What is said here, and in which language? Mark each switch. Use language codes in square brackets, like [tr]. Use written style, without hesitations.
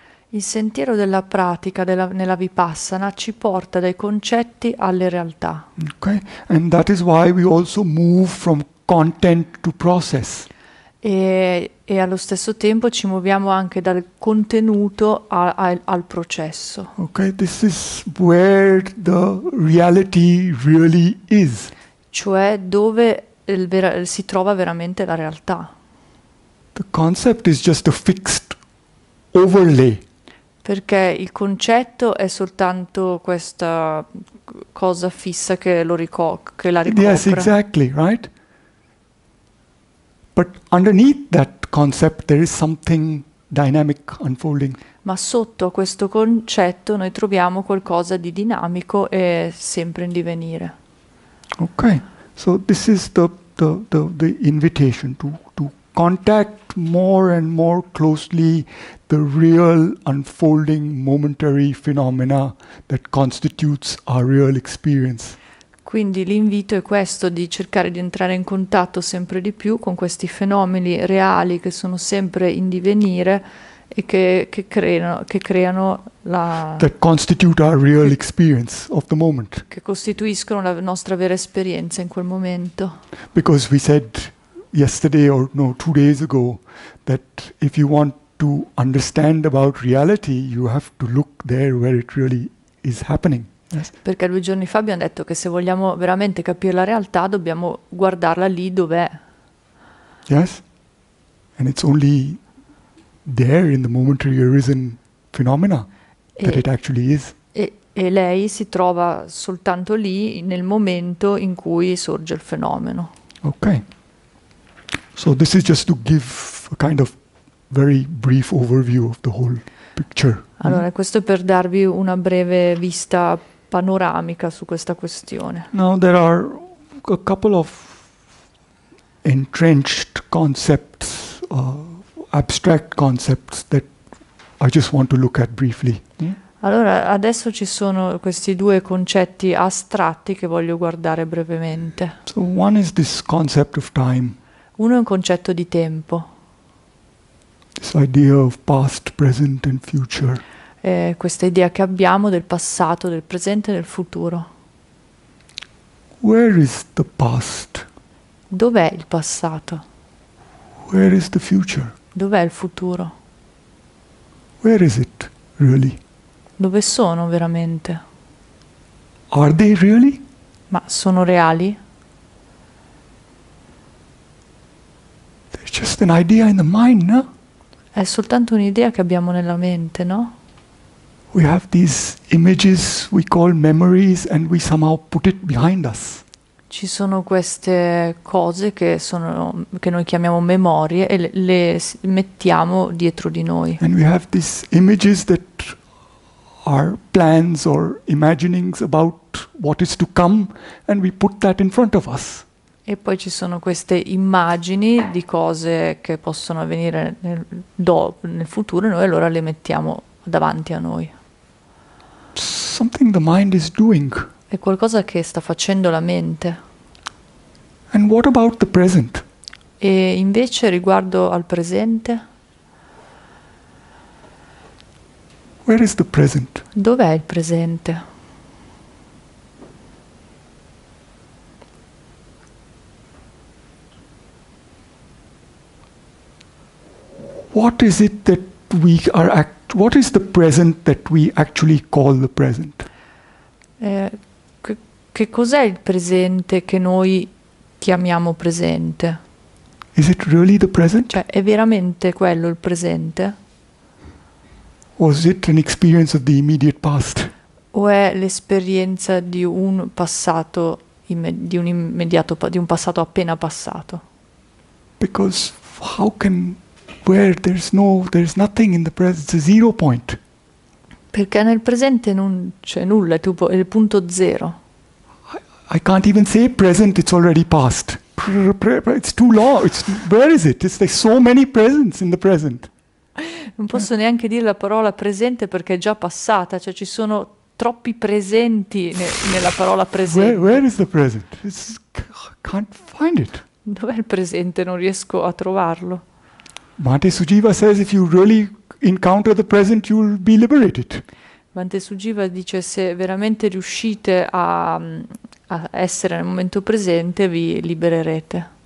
[it] Il sentiero della pratica nella Vipassana ci porta dai concetti alle realtà. [en] Okay? And that is why we also move from content to process. [it] E allo stesso tempo ci muoviamo anche dal contenuto al processo. [en] Okay, this is where the reality really is. [it] Cioè dove si trova veramente la realtà. [en] The concept is just a fixed overlay. [it] Perché il concetto è soltanto questa cosa fissa che la [en] Yes, [it] ricopre. [en] exactly, right? But underneath that concept there is something dynamic unfolding. [it] Ma sotto questo concetto noi troviamo qualcosa di dinamico e sempre in divenire. [en] Okay, so this is the invitation to contact more and more closely the real unfolding momentary phenomena that constitutes our real experience. [it] Quindi l'invito è questo, di cercare di entrare in contatto sempre di più con questi fenomeni reali che sono sempre in divenire e che creano [en] That constitute our real experience of the moment. [it] che costituiscono la nostra vera esperienza in quel momento. [en] Because we said yesterday or no, 2 days ago that if you want to understand about reality, you have to look there where it really is happening. Yes. [it] Perché 2 giorni fa abbiamo detto che se vogliamo veramente capire la realtà dobbiamo guardarla lì dov'è. [en] Yes. And it's only there in the momentary arisen phenomena that it actually is. [it] E lei si trova soltanto lì nel momento in cui sorge il fenomeno. [en] Okay. So this is just to give a kind of very brief overview of the whole picture. [it] Allora, questo è per darvi una breve vista panoramica su questa questione. [en] Now there are a couple of entrenched concepts, abstract concepts that I just want to look at briefly. [it] Allora, adesso ci sono questi due concetti astratti che voglio guardare brevemente. [en] So one is this concept of time. [it] Uno è un concetto di tempo. [en] This idea of past, present and future. [it] Questa idea che abbiamo del passato, del presente e del futuro. [en] Where is the past? [it] Dov'è il passato? [en] Where is the future? [it] Dov'è il futuro? [en] Where is it really? [it] Dove sono veramente? [en] Are they really? [it] Ma sono reali? [en] They're just an idea in the mind, no? [it] È soltanto un'idea che abbiamo nella mente, no? [en] We have these images we call memories and we somehow put it behind us. [it] Ci sono queste cose che noi chiamiamo memorie e le mettiamo dietro di noi. [en] And we have these images that are plans or imaginings about what is to come, and we put that in front of us. [it] E poi ci sono queste immagini di cose che possono avvenire nel futuro e noi allora le mettiamo davanti a noi. [en] Something the mind is doing. And [it] È qualcosa che sta facendo la mente. [en] what about the present? [it] E invece riguardo al presente, [en] Where is the present? [it] dov'è il presente? [en] What is it that we are act what is the present that we actually call the present? [it] Che cos'è il presente che noi chiamiamo presente? [en] Is it really the present? [it] Cioè, è veramente quello il presente? [en] Was it an experience of the immediate past? [it] o è l'esperienza di un passato, di un immediato, di un passato appena passato? [en] Because how can where there's nothing in the present, it's a zero point. [it] Perché nel presente non c'è nulla, è tipo il punto zero. [en] I can't even say present, it's already past. It's too long. Where is it? There's so many presents in the present. [it] Non posso neanche dire la parola presente perché è già passata, cioè ci sono troppi presenti nella parola [en] Where [it] presente. [en] is the present? Can't find it. [it] Dov'è il presente? Non riesco a trovarlo. [en] Bhante Sujiva says if you really encounter the present, you'll be liberated. [it] Bhante Sujiva dice: se veramente riuscite a essere nel momento presente, vi libererete.